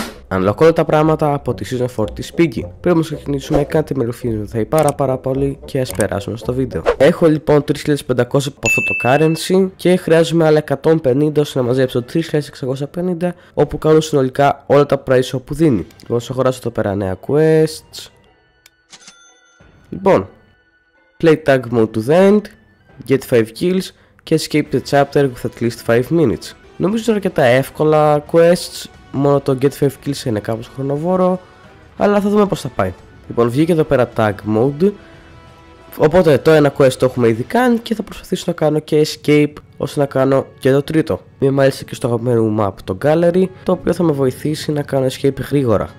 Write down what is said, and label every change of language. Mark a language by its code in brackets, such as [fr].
[el] Unlock όλα τα πράγματα από τη Season 4 της Piggy. Πριν όμως ξεκινήσουμε, κάντε με ρουφίνι, θα είναι πάρα πολύ και ας περάσουμε στο βίντεο. Έχω λοιπόν 3500 από αυτό το currency και χρειάζομαι άλλα 150 ώστε να μαζέψω 3650, όπου κάνω συνολικά όλα τα price που δίνει. Λοιπόν, σε αγοράσω εδώ πέρα νέα quests. [en] Λοιπόν, play tag mode to the end, get 5 kills και escape the chapter with at least 5 minutes. [el] Νομίζω ότι είναι αρκετά εύκολα quests. Μόνο το Get 5 Kills είναι κάπως χρονοβόρο, αλλά θα δούμε πως θα πάει. Λοιπόν, βγήκε εδώ πέρα Tag Mode, οπότε το ένα quest το έχουμε ήδη κάνει και θα προσπαθήσω να κάνω και Escape ώστε να κάνω και το τρίτο. Είμαι μάλιστα και στο αγαπημένο μου map, το Gallery, το οποίο θα με βοηθήσει να κάνω Escape γρήγορα.